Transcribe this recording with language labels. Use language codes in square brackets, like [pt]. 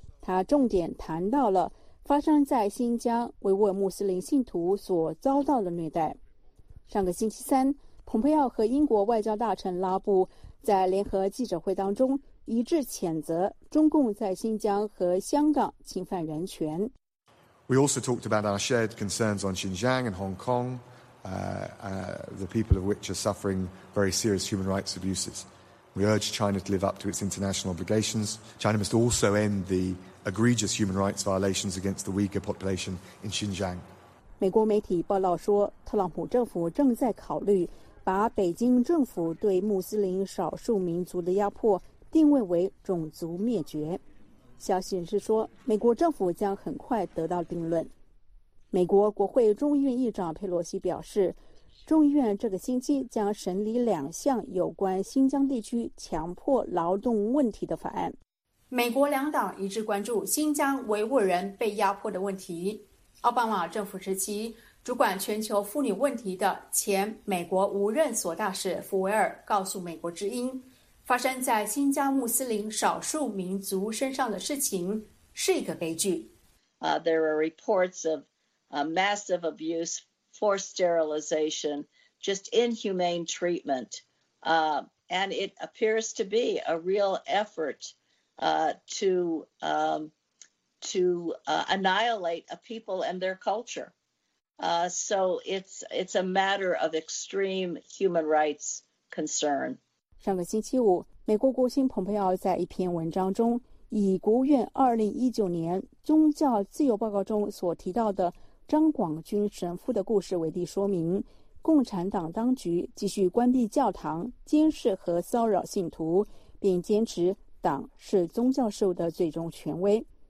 [zh] 他重点谈到了发生在新疆维吾尔穆斯林信徒所遭到的虐待。上个星期三，蓬佩奥和英国外交大臣拉布在联合记者会当中一致谴责中共在新疆和香港侵犯人权。 [en] We also talked about our shared concerns on Xinjiang and Hong Kong, the people of which are suffering very serious human rights abuses. We urge China to live up to its international obligations. China must also end the egregious human rights violations against the Uyghur population in Xinjiang. [zh] 美国媒体报道说，特朗普政府正在考虑把北京政府对穆斯林少数民族的压迫定位为种族灭绝。消息人士说，美国政府将很快得到定论。美国国会众议院议长佩洛西表示，众议院这个星期将审理两项有关新疆地区强迫劳动问题的法案。美国两党一致关注新疆维吾尔人被压迫的问题。奥巴马政府时期主管全球妇女问题的前美国无任所大使福维尔告诉美国之音，发生在新疆穆斯林少数民族身上的事情是一个悲剧。 [en] There are reports of massive abuse, forced sterilization, just inhumane treatment, and it appears to be a real effort to annihilate a people and their culture. So it's a matter of extreme human rights concern. [zh] 上个星期五，美国国务卿蓬佩奥在一篇文章中以国务院2019年宗教自由报告中所提到的张广军神父的故事为例说明，共产党当局继续关闭教堂、监视和骚扰信徒，并坚持党是宗教事务的最终权威。